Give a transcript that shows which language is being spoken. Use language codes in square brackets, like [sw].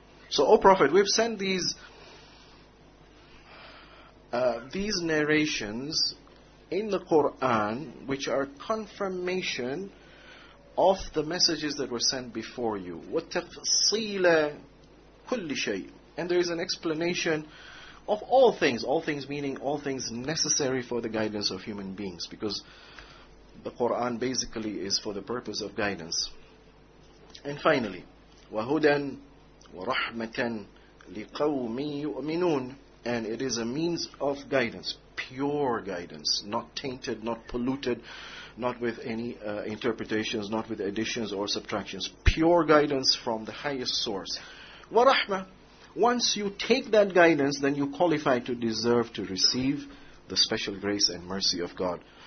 [en] So, O Prophet, we've sent these narrations in the Qur'an, which are confirmation of the messages that were sent before you. [ar] وَتَفْصِيلَ كُلِّ شَيْءٍ. [en] And there is an explanation of all things meaning all things necessary for the guidance of human beings, because the Qur'an basically is for the purpose of guidance. And finally, [ar] وَهُدًا وَرَحْمَةً لِقَوْمٍ يُؤْمِنُونَ. [en] And it is a means of guidance, pure guidance, not tainted, not polluted, not with any interpretations, not with additions or subtractions. Pure guidance from the highest source. [ar] وَرَحْمَةً. [en] Once you take that guidance, then you qualify to deserve to receive the special grace and mercy of God.